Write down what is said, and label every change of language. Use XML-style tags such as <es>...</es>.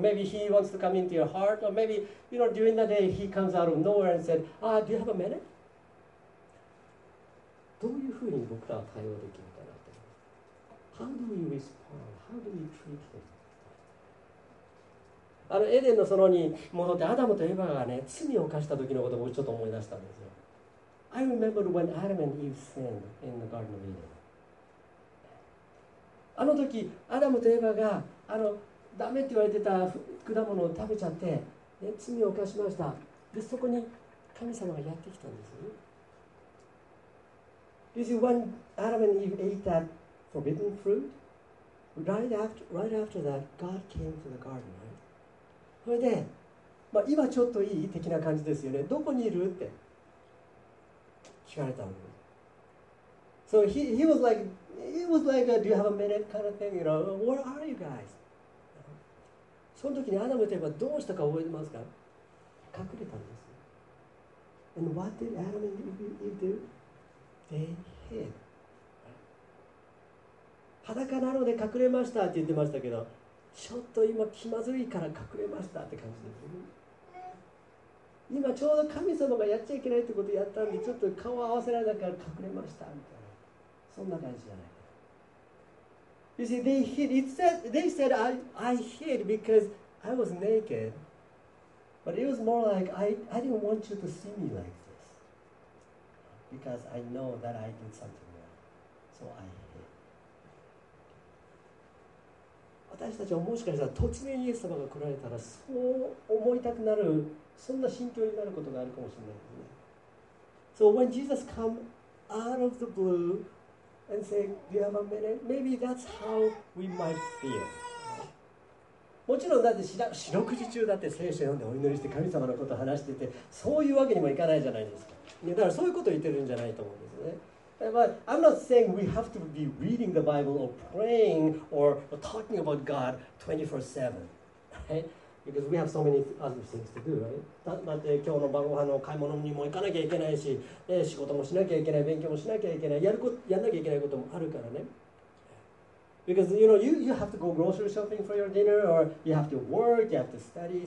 <en>Maybe he wants to come into your heart. Or maybe you know, during the day he comes out of nowhere and said, Ah, do you have a minute?</en> <ja>どういうふうに僕らは対応できるかなって。</ja> <en>How do we respond? How do we treat him?</en> <ja>エデンの園に戻ってアダムとエヴァがね罪を犯した時のことをちょっと思い出したんですよ。</ja> <en>I remember when Adam and Eve sinned in the Garden of Eden。</en> <ja>あの時アダムとエヴァがダメって言われてた果物を食べちゃって、ね、罪を犯しました。でそこに神様がやってきたんです。</ja> <en>You see when Adam and Eve ate that forbidden fruit, right after that, God came to the garden.</en> <ja>それで、まあ、今ちょっといい的な感じですよね。どこにいるって聞かれたの。</ja> <en>So he was like, do you have a minute kind of thing? You know, where are you guys?</en> <ja>その時にアダムとエヴァどうしたか覚えてますか？隠れたんです。</ja> <en>And what did Adam and Eve do? They hid.</en> <ja>裸なので隠れましたって言ってましたけど、ちょっと今気まずいから隠れましたって感じです、ね、今ちょうど神様がやっちゃいけないってことをやったんでちょっと顔を合わせられないから隠れましたみたいな、そんな感じじゃない。</ja> <en>You see, they hid. They said, I hid because I was naked. But it was more like, I didn't want you to see me like this. Because I know that I did something wrong. So I hid.</en> <ja>私たちももしかしたら突然イエス様が来られたらそう思いたくなる、そんな心境になることがあるかもしれないですね。</ja> <en>So when Jesus come out of the blue and say, Do you have a minute? Maybe that's how we might feel.</en> <ja>もちろんだって四六時中だって聖書読んでお祈りして神様のことを話していて、そういうわけにもいかないじゃないですか。だからそういうことを言ってるんじゃないと思うんですね。</ja> <en>But I'm not saying we have to be reading the Bible or praying or talking about God 24/7, right? Because we have so many other things to do, right?</en> <ja>だって今日の晩ご飯の買い物にも行かなきゃいけないし、仕事もしなきゃいけない、勉強もしなきゃいけない、やんなきゃいけないこともあるからね。</ja> <en>Because you know you have to go grocery shopping for your dinner, or you have to work, you have to study.</en>